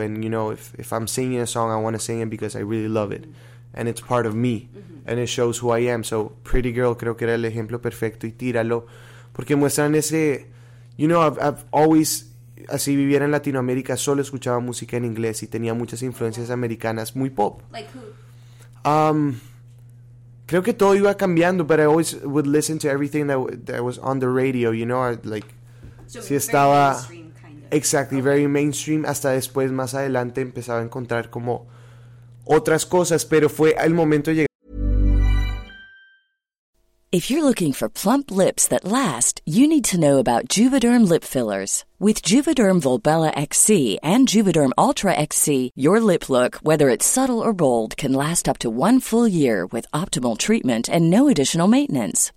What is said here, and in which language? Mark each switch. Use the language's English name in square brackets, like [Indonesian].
[English] And, you know, if I'm singing a song, I want to sing it because I really love it. Mm-hmm. And it's part of me. Mm-hmm. And it shows who I am. [Spanish] So Pretty Girl creo que era el ejemplo perfecto. Y Tíralo. Porque muestran ese... [English] You know, I've always... [Spanish] Así viviera en Latinoamérica, solo escuchaba música en inglés y tenía muchas influencias americanas, muy pop. [English] Like who? [Spanish] Creo que todo iba cambiando, [English] but I always would listen to everything that was on the radio, you know, like, so [Spanish] si estaba, [English] very mainstream, kind of. Exactly, okay. Very mainstream, [Spanish] hasta después, más adelante, empezaba a encontrar como otras cosas, pero fue el momento de llegar. [English] If you're looking for plump lips that last, you need to know about Juvederm lip fillers. With Juvederm Volbella XC and Juvederm Ultra XC, your lip look, whether it's subtle or bold, can last up to one full year with optimal treatment and no additional maintenance.